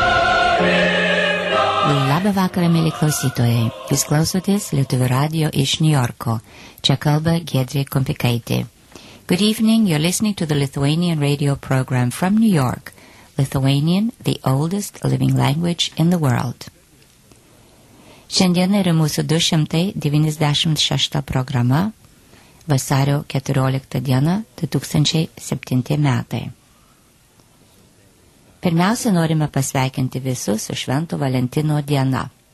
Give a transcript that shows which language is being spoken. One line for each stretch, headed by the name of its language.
Lithuanian: Labą vakarą, mėly klausytojai. Jūs klausotės Lietuvių radio iš Niujorko. Čia kalba Giedrė Kompikaitė.
English: Good evening, you're listening to the Lithuanian radio program from New York. Lithuanian, the oldest living language in the world.
Lithuanian: Šiandien yra mūsų 296 programa, vasario 14 diena 2007 metai. Pirmiausia, norime pasveikinti visus su Švento Valentino diena.